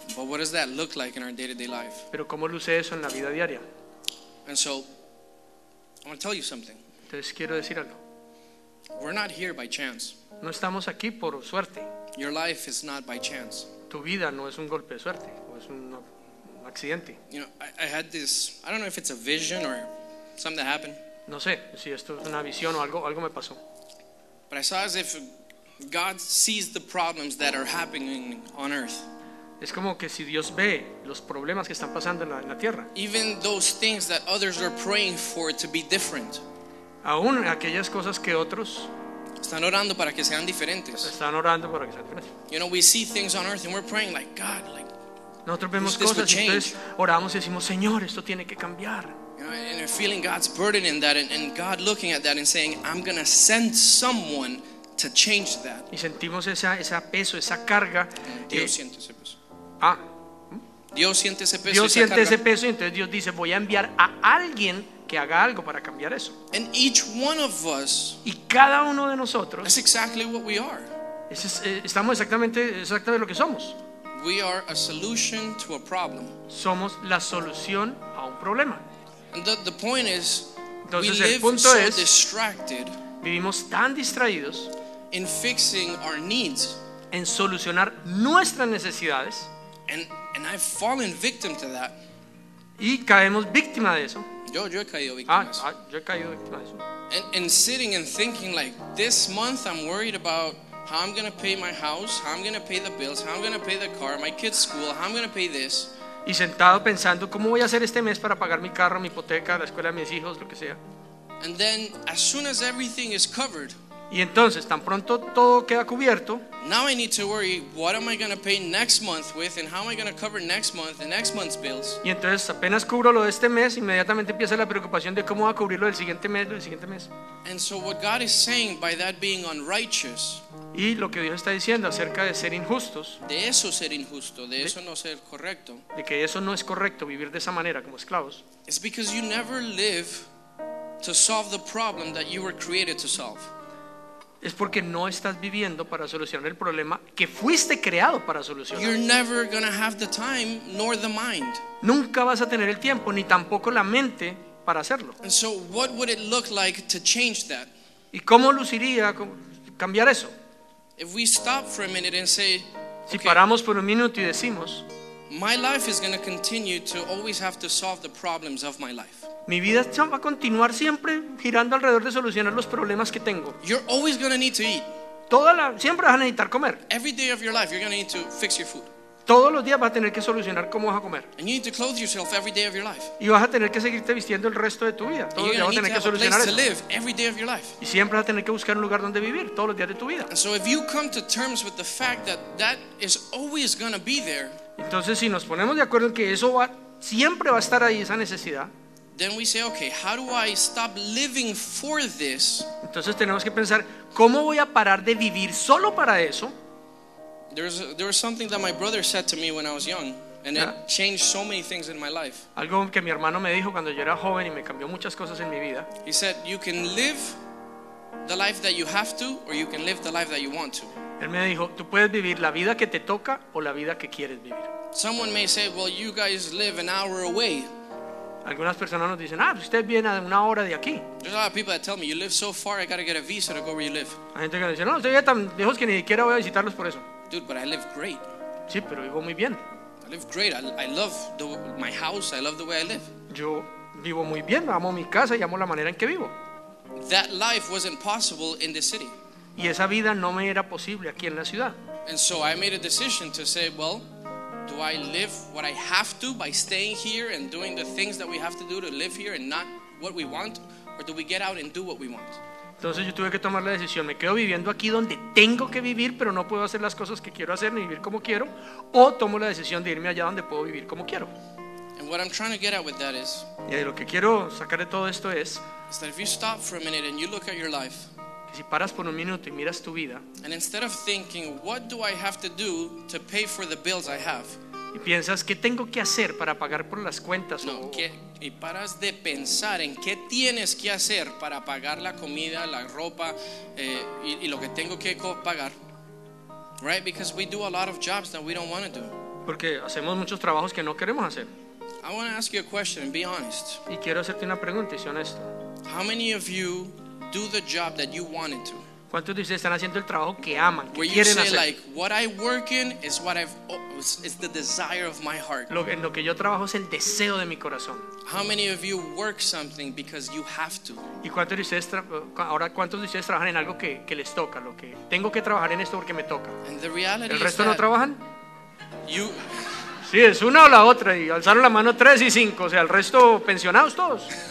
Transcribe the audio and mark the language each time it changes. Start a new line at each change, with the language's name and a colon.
English: But what does that look like in our day-to-day life?
Spanish: Pero cómo luce eso en la vida diaria?
English: And so I want to tell you something.
Spanish: Entonces quiero decir algo.
English: We're not here by chance.
Spanish: No estamos aquí por suerte.
English: Your life is not by chance.
Spanish: Tu vida no es un golpe de suerte, o es un accidente.
English: You know, I had this, I don't know if it's a vision or something that happened.
Spanish: No sé si esto es una visión o algo me pasó.
English: But I saw as if God sees the problems that are happening on earth.
Spanish: Es como que si Dios ve los problemas que están pasando en la tierra.
English: Even those things that others are praying for to be different.
Spanish: Aún aquellas cosas que otros están orando para que sean diferentes. Están orando para que sean diferentes.
English: You know, we see things on earth and we're praying like, God, like,
Spanish: nosotros vemos cosas y entonces oramos y decimos, Señor, esto tiene que cambiar.
English: And you're feeling God's burden in that, and God looking at that and saying, I'm going to send someone to change that.
Spanish: Y sentimos esa peso, esa carga. Dios siente ese peso. Ah. Dios siente ese peso. Dios siente ese peso, y entonces Dios dice, voy a enviar a alguien que haga algo para cambiar eso.
English: And each one of us.
Spanish: Y cada uno de nosotros.
English: That's exactly what we are.
Spanish: Estamos exactamente lo que somos.
English: We are a solution to a problem.
Spanish: Somos la solución a un problema.
English: And the point is,
Spanish: entonces,
English: we live
Spanish: el punto
English: so
Spanish: es,
English: distracted,
Spanish: vivimos tan distraídos
English: in fixing our needs,
Spanish: en solucionar nuestras necesidades,
English: and I've fallen victim to that.
Spanish: Y caemos víctima de eso. Yo he caído víctima de eso. Yo he caído víctima de eso.
English: And sitting and thinking like, this month I'm worried about how I'm going to pay my house, how I'm going to pay the bills, how I'm going to pay the car, my kids' school, how I'm going to pay this.
Spanish: Y sentado pensando, ¿cómo voy a hacer este mes para pagar mi carro, mi hipoteca, la escuela de mis hijos, lo que sea?
English: And then, as soon as everything is covered,
Spanish: y entonces, tan pronto todo queda cubierto,
English: now I need to worry, what am I going to pay next month with, and how am I going to cover next month and next month's bills?
Spanish: Y entonces, apenas cubro lo de este mes, inmediatamente empieza la preocupación de cómo va a cubrir lo del siguiente mes.
English: And so what God is saying by that being unrighteous,
Spanish: y lo que Dios está diciendo acerca de ser injustos, de eso ser injusto, de eso no ser correcto, de que eso no es correcto vivir de esa manera como esclavos,
English: is because you never live to solve the problem that you were created to solve.
Spanish: Es porque no estás viviendo para solucionar el problema que fuiste creado para solucionar.
English: You're never gonna have the time nor the mind.
Spanish: Nunca vas a tener el tiempo ni tampoco la mente para hacerlo.
English: And so what would it look like to change that?
Spanish: ¿Y cómo luciría cambiar eso?
English: If we stop for a minute and say,
Spanish: si paramos por un minuto y decimos,
English: my life is going to continue to always have to solve the problems of my life.
Spanish: Mi vida va a continuar siempre girando alrededor de solucionar los problemas que tengo.
English: You're always going to need to eat.
Spanish: siempre vas a necesitar comer.
English: Every day of your life you're going to need to fix your food.
Spanish: Todos los días vas a tener que solucionar cómo vas a comer.
English: And you need to clothe yourself every day of your life.
Spanish: Y vas a tener que seguirte vistiendo el resto de tu vida. Todos los días vas a tener que solucionar eso.
English: To live every day of your life.
Spanish: Y siempre vas a tener que buscar un lugar donde vivir todos los días de tu vida.
English: And so if you come to terms with the fact that that is always going to be there.
Spanish: Entonces si nos ponemos de acuerdo en que eso va siempre va a estar ahí esa necesidad.
English: Then we say, okay, how do I stop living for this?
Spanish: Entonces tenemos que pensar, ¿cómo voy a parar de vivir solo para eso?
English: There was something that my brother said to me when I was young, and it changed so many things in my life.
Spanish: Algo que mi hermano me dijo cuando yo era joven y me cambió muchas cosas en mi vida.
English: He said, "You can live the life that you have to, or you can live the life that you want to."
Spanish: Él me dijo, "Tú puedes vivir la vida que te toca o la vida que quieres vivir."
English: Someone may say, "Well, you guys live an hour away."
Spanish: Algunas personas nos dicen, pues usted viene a una hora de aquí.
English: There's a lot of people that tell me, "You live so far, I got to get a visa to go where you live."
Spanish: Hay gente que dice, "No, estoy tan lejos que ni siquiera voy a visitarlos por eso."
English: Dude, but I live great.
Spanish: Sí, pero vivo muy bien.
English: I live great. I love my house. I love the way I live.
Spanish: Yo vivo muy bien. Amo mi casa y amo la manera en que vivo.
English: That life was impossible in the city.
Spanish: Y esa vida no me era posible aquí en la ciudad.
English: And so I made a decision to say, well, do I live what I have to by staying here and doing the things that we have to do to live here and not what we want? Or do we get out and do what we want?
Spanish: Entonces yo tuve que tomar la decisión, me quedo viviendo aquí donde tengo que vivir, pero no puedo hacer las cosas que quiero hacer ni vivir como quiero, o tomo la decisión de irme allá donde puedo vivir como quiero.
English: And what I'm trying to get at with that is,
Spanish: y lo que quiero sacar de todo esto es,
English: is that if you stop for a minute and you look at your life,
Spanish: que si paras por un minuto y miras tu vida,
English: and instead of thinking, what do I have to do to pay for the bills I have?
Spanish: Y piensas, ¿qué tengo que hacer para pagar por las cuentas? No, y paras de pensar en qué tienes que hacer para pagar la comida, la ropa, y lo que tengo que pagar.
English: Right? Because we do a lot of jobs that we don't want to do.
Spanish: Porque hacemos muchos trabajos que no queremos hacer.
English: I want to ask you a question and be honest.
Spanish: Y quiero hacerte una pregunta y sé honesto.
English: How many of you do the job that you wanted to?
Spanish: ¿Cuántos de ustedes están haciendo el trabajo que aman, que quieren hacer?
English: Like, what I work in is what I've, it's the desire of my heart.
Spanish: Lo que yo trabajo es el deseo de mi corazón.
English: How many of you work something because you have to?
Spanish: ¿Y cuántos de ustedes ahora cuántos de ustedes trabajan en algo que les toca, lo que tengo que trabajar en esto porque me toca?
English: And the reality
Spanish: ¿El resto no trabajan?
English: You...
Spanish: Sí, es una o la otra y alzaron la mano 3 y 5, o sea, el resto pensionados todos.